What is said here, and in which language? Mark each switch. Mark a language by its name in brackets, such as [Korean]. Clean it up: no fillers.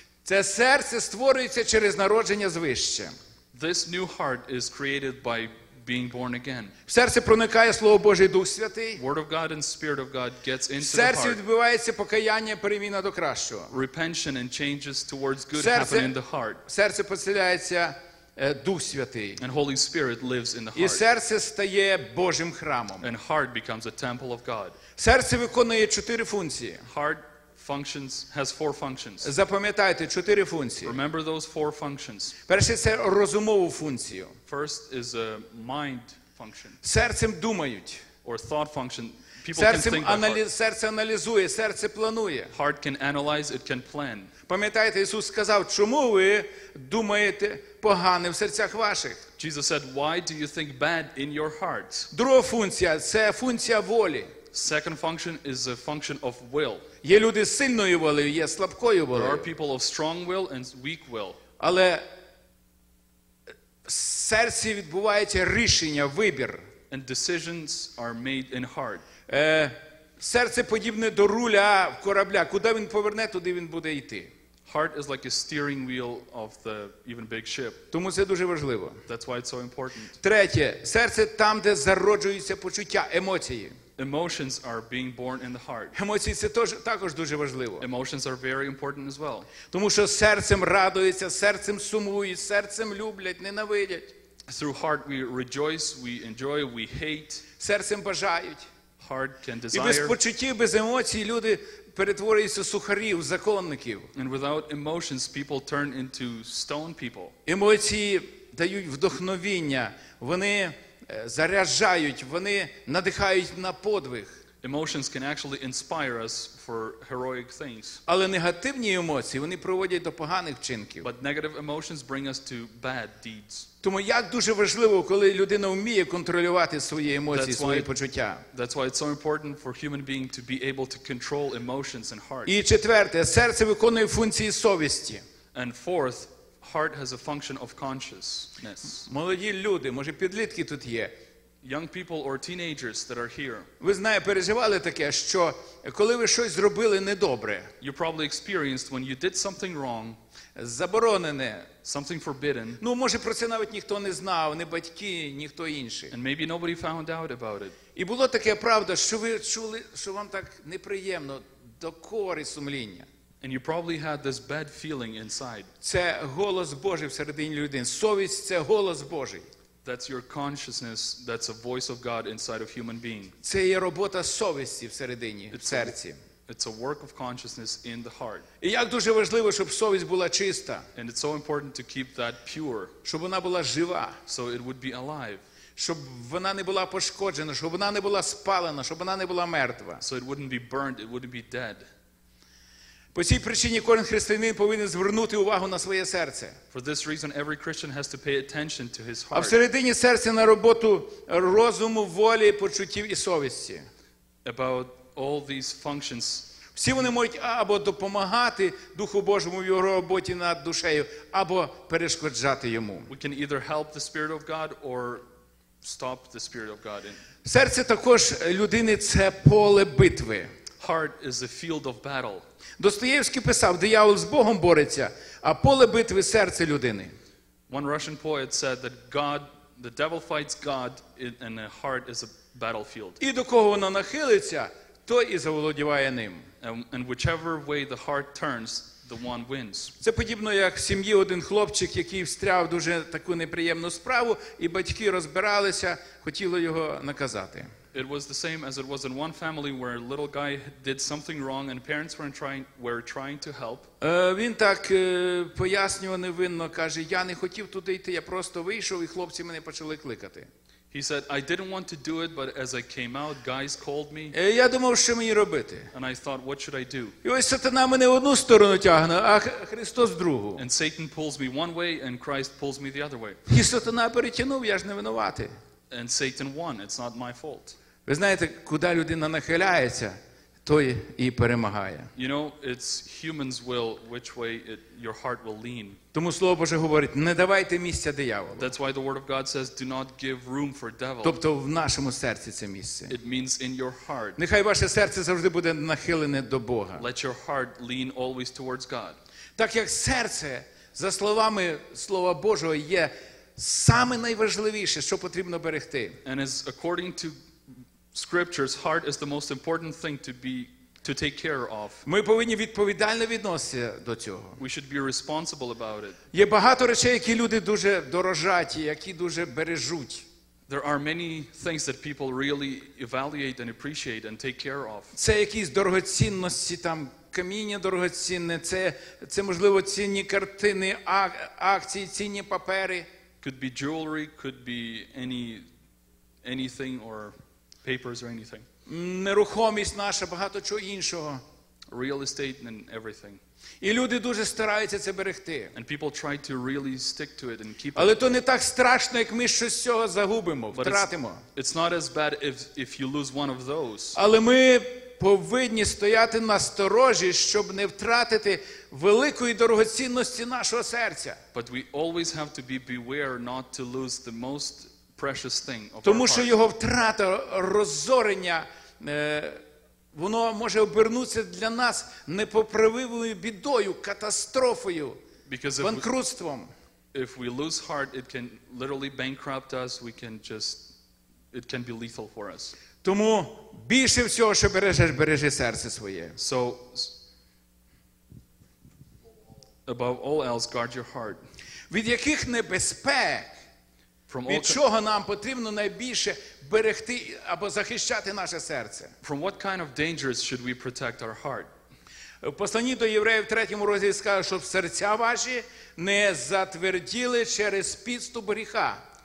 [Ukrainian] Це серце створюється через народження звище. [English] This new heart is created by being born again. [Ukrainian] В серце проникає Слово Боже і Дух Святий. [English] Word of God and Spirit of God gets into the heart. [Ukrainian] В серці відбувається покаяння, переміна до кращого. [English] Repentance and changes towards good happen in the heart. [Ukrainian] Серце поселяється Дух Святий. [English] And Holy Spirit lives in the heart. [Ukrainian] І серце стає Божим храмом. [English] And heart becomes a temple of God. [Ukrainian] Серце виконує 4 функції. [English] Heart functions has 4 functions. [Ukrainian] Запам'ятайте 4 функції. [English] Remember those 4 functions. [Ukrainian] Перше це розумову функцію. [English] First is a mind function. [Ukrainian] Серцем думають. [English] Or thought function. People [Ukrainian] серцем [English] can think about. [Ukrainian] Серце аналізує, серце планує. [English] Heart can analyze, it can plan. [Ukrainian] Пам'ятаєте, Ісус сказав: "Чому ви думаєте погане в серцях ваших?" [English] Jesus said, "Why do you think bad in your hearts?" [Ukrainian] Друга функція це функція волі. [English] Second function is a function of will. [Ukrainian] Є люди з сильною волею, є слабкою волею. [English] There are people of strong will and weak will. [Ukrainian] Але в серці відбувається рішення, вибір. [English] And decisions are made in heart. [Ukrainian] Серце подібне до руля корабля. Куди він поверне, туди він буде йти. [English] Heart is like a steering wheel of the even big ship. [Ukrainian] Тому це дуже важливо. [English] That's why it's so important. [Ukrainian] Третє. Серце там, де зароджуються почуття, емоції. [English] Emotions are being born in the heart. [Ukrainian] Емоції це також дуже важливо. [English] Emotions are very important as well. [Ukrainian] Тому що серцем радуються, серцем сумують, серцем люблять, ненавидять. [English] Through heart we rejoice, we enjoy, we hate. [Ukrainian] Серцем бажають. [English] Heart can desire. [Ukrainian] І без почуттів, без емоцій люди перетворюються в сухарів, законників. [English] And without emotions, people turn into stone people. [Ukrainian] Емоції дають вдохновіння, вони заряджають, вони надихають на подвиг. [English] Emotions can actually inspire us for heroic things. [Ukrainian] Але негативні емоції, вони приводять до поганих вчинків. [English] But negative emotions bring us to bad deeds. [Ukrainian] Тому як дуже важливо, коли людина вміє контролювати свої емоції, свої почуття. [English] That's why it's so important for human being to be able to control emotions and heart. [Ukrainian] І четверте, серце виконує функції совісті. [English] And fourth, heart has a function of consciousness. [Ukrainian] Молоді люди, може підлітки тут є. [English] Young people or teenagers that are here. [Ukrainian] Ви знаєте, переживали таке, що коли ви щось зробили недобре. [English] You probably experienced when you did something wrong. [Ukrainian] заборонене. [English] Something forbidden. [Ukrainian] Ну, може, про це навіть ніхто не знав, ні батьки, ніхто інший. [English] And maybe nobody found out about it. [Ukrainian] І було таке, правда, що ви чули, що вам так неприємно, до кори сумління. [English] And you probably had this bad feeling inside. [Ukrainian] Це голос Божий всередині людини. Совість – це голос Божий. [English] That's your consciousness, that's a voice of God inside of human being. [Ukrainian] Це є робота совісті всередині, в серці. [English] It's a work of consciousness in the heart. [Ukrainian] І як дуже важливо, щоб совість була чиста. [English] And it's so important to keep that pure. [Ukrainian] Щоб вона була жива. [English] So it would be alive. [Ukrainian] Щоб вона не була пошкоджена, щоб вона не була спалена, щоб вона не була мертва. [English] So it wouldn't be burned, it wouldn't be dead. [Ukrainian] По цій причині кожен християнин повинен звернути увагу на своє серце. [English] For this reason, every Christian has to pay attention to his heart. [Ukrainian] А всередині серця на роботу розуму, волі, почуттів і совісті. [English] About all these functions. [Ukrainian] Всі вони можуть або допомагати Духу Божому в його роботі над душею, або перешкоджати йому. [English] We can either help the Spirit of God or stop the Spirit of God. [Ukrainian] Серце також людини – це поле битви. [English] Heart is a field of battle. [Ukrainian] Достоєвський писав: диявол з Богом бореться, а поле битви – серце людини. [English] One Russian poet said that God, the devil fights God and the heart is a battlefield. [Ukrainian] І до кого воно нахилиться, той і заволодіває ним. [English] And whichever way the heart turns, the one wins. [Ukrainian] Це подібно, як в сім'ї один хлопчик, який встряв дуже таку неприємну справу, і батьки розбиралися, хотіли його наказати. [English] It was the same as it was in one family where a little guy did something wrong and parents were trying to help. [Ukrainian] Він так пояснював невинно, каже: "Я не хотів туди йти, я просто вийшов і хлопці мене почали кликати". [English] He said, "I didn't want to do it, but as I came out, guys called me". [Ukrainian] Я думав, що мені робити? [English] And I thought, "What should I do?" [Ukrainian] І ось сатана мене в одну сторону тягне, а Христос в другу. [English] And Satan pulls me one way and Christ pulls me the other way. [Ukrainian] І сатана перетягнув, я ж не винуватий. [English] And Satan won. It's not my fault. [Ukrainian] Ви знаєте, куди людина нахиляється, той і перемагає. [English] You know, it's human's will which way your heart will lean. [Ukrainian] Тому Слово Боже говорить: не давайте місця дияволу. [English] That's why the word of God says do not give room for devil. [Ukrainian] Тобто в нашому серці це місце. [English] It means in your heart. [Ukrainian] Нехай ваше серце завжди буде нахилене до Бога. [English] Let your heart lean always towards God. [Ukrainian] Так як серце, за словами Слова Божого, є саме найважливіше, що потрібно берегти. [English] And as according to scriptures, heart is the most important thing to take care of. [Ukrainian] Ми повинні відповідально відноситися до цього. [English] We should be responsible about it. [Ukrainian] Є багато речей, які люди дуже дорожать, які дуже бережуть. [English] There are many things that people really evaluate and appreciate and take care of. [Ukrainian] Це якісь дорогоцінності, там каміння дорогоцінне, це можливо цінні картини, акції, цінні папери. [English] Could be jewelry, could be anything or papers or anything. [Ukrainian] Нерухомість наша, багато чого іншого. [English] Real estate and everything. [Ukrainian] І люди дуже стараються це берегти. [English] And people try to really stick to it and keep [Ukrainian] Але то не так страшно, як ми щось з цього загубимо, втратимо. [English] It's not as bad if you lose one of those. [Ukrainian] Але ми повинні стояти на сторожі, щоб не втратити великої дорогоцінності нашого серця. [English] But we always have to be beware not to lose the most precious thing of our heart. [Ukrainian] Тому що його втрата, розорення, воно може обернутися для нас непоправимою бідою, катастрофою, банкрутством. [English] If we lose heart, it can literally bankrupt us, it can be lethal for us. [Ukrainian] Тому більше всього, що бережеш, бережи серце своє. [English] So, above all else, guard your heart. [Ukrainian] Від яких небезпек, від чого нам потрібно найбільше берегти або захищати наше серце? [English] From what kind of dangers should we protect our heart? [Ukrainian] В посланні до євреїв в 3 розділі сказано, щоб серця ваші не затверділи через підступ гріха.